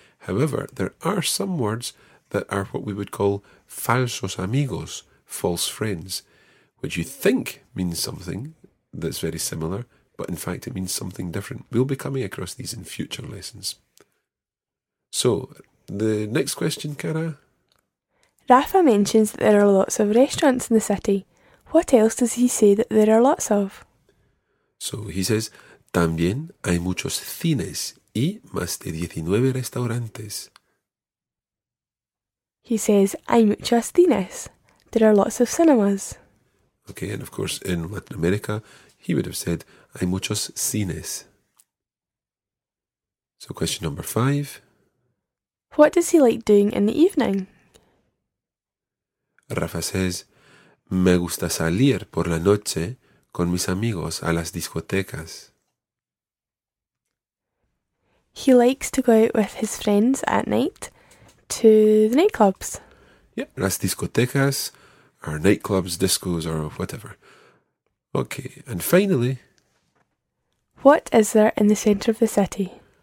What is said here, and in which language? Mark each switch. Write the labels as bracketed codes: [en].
[en] However, there are some words that are what we would call [es] falsos amigos, [en] false friends, which you think means something that's very similar, but in fact it means something different. We'll be coming across these in future lessons. So, the next question, Cara. Rafa mentions that there are lots of restaurants in the city. What else does he say that there are lots of? So, he says, [es] también hay muchos cines y más de 19 restaurantes. [en] He says, [es] hay muchos cines. [en] There are lots of cinemas. Okay, and of course, in Latin America, he would have said, [es] hay muchos cines. [en] So, question number five. What does he like doing in the evening? [es] Rafa says, me gusta salir por la noche con mis amigos a las discotecas. [en] He likes to go out with his friends at night to the nightclubs. Yeah, las discotecas, or nightclubs, discos, or whatever. Okay, and finally, what is there in the centre of the city?